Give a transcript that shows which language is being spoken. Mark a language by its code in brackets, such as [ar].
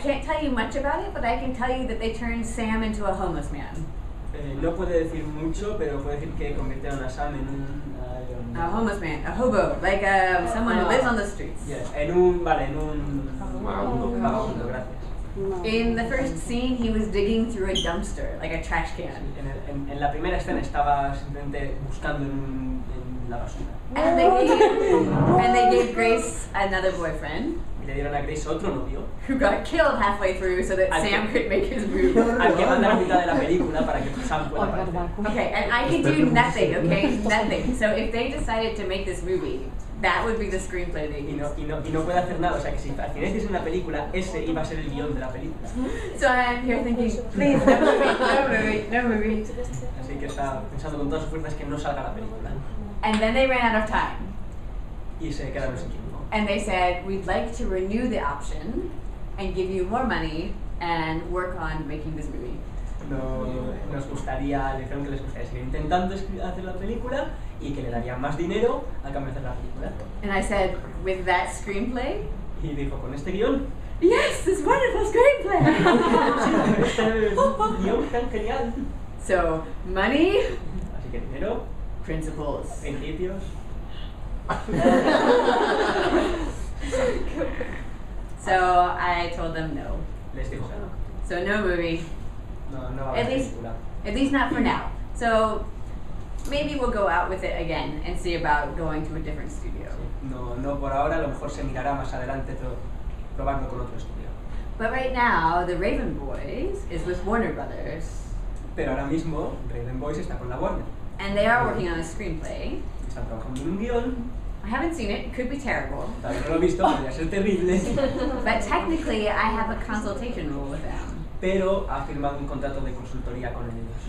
[en] can't tell you much about it, but I can tell you that they turned Sam into a homeless man. [es] No puede decir mucho, pero puede decir que convirtieron a Sam en un [en] a homeless man, a hobo, like someone who lives on the streets. [es] Yes, en un vale, en un vagabundo. Vagabundo, gracias. [en] In the first scene, he was digging through a dumpster, like a trash can. [es] En la primera escena estaba simplemente buscando en la basura. [en] And they gave Grace another boyfriend. [es] Y le dieron a Grace otro novio. [en] Who got killed halfway through so that Sam could make his move. [es] Al que mandar a mitad de la película para que Sam pueda. [en] Okay, and I can do nothing. Okay, nothing. So if they decided to make this movie, that would be the screenplay they used. [es] Y no puede hacer nada. O sea, que si hacías una película, ese iba a ser el guion de la película. [en] So I'm here thinking, please, no movie. [es] Así que está pensando con todas sus fuerzas que no salga la película. [en] And then they ran out of time. [es] Y se quedaron sin tiempo. [en] And they said, we'd like to renew the option and give you more money and work on making this movie. [es] No, nos gustaría, le dijeron que les gustaría seguir intentando hacer la película y que le darían más dinero a cambio de hacer la película. [en] And I said, with that screenplay? [es] Y dijo, ¿con este guión? [en] Yes, this wonderful screenplay! [es] Este guión tan genial. [en] So, money. [es] Así que dinero. [en] Principles. [es] Principios. [en] So, I told them no. [es] Les dijo no. [en] So, no movie. At least not for now. So maybe we'll go out with it again and see about going to a different studio. [es] No, por ahora, a lo mejor se mirará más adelante probando con otro estudio. [en] But right now, The Raven Boys is with Warner Brothers. [es] Pero ahora mismo, Raven Boys está con la Warner. [en] And they are working on a screenplay. [es] Están trabajando en un guion. [en] I haven't seen it. It could be terrible. [es] Tal vez no lo he visto, podría ser terrible. [en] But technically, I have a consultation role with them. [es] Pero ha firmado un contrato de consultoría con ellos.